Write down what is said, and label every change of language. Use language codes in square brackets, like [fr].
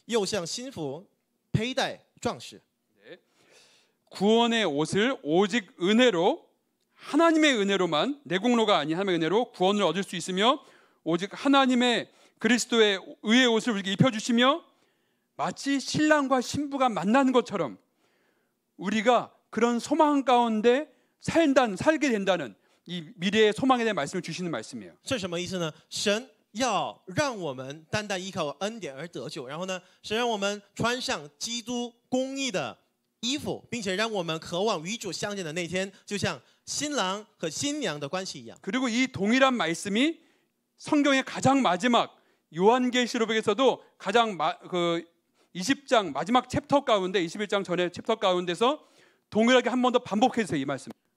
[zh] 世界我来读一下，我们大家一起来读一下。我因耶和华大大欢喜，我的心靠神快乐，因他以拯救为衣，给我穿上，以公义为报，袍给我披上，好像新郎戴上华冠，又像新妇佩戴壮士。 [ko] 구원의 옷을 오직 은혜로 하나님의 은혜로만 내 공로가 아닌 하나님의 은혜로 구원을 얻을 수 있으며 오직 하나님의 그리스도의 의의 옷을 우리에게 입혀주시며 마치 신랑과 신부가 만나는 것처럼 우리가 그런 소망 가운데 살게 된다는 이 미래의 소망에 대한 말씀을 주시는 말씀이에요. [zh] 这什么意思呢？神 要让我们单单依靠恩典而得救，然后呢，神让我们穿上基督公义的 衣服，并且让我们渴望与主相见的那天，就像新郎和新娘的关系一样。 [ko] 그리고 이 동일한 말씀이 성경의 가장 마지막 요한계시록에서도 가장 그 20장 마지막 챕터 가운데 21장 전에 챕터 가운데서 동일하게 한 번 더 반복해서 이 말씀.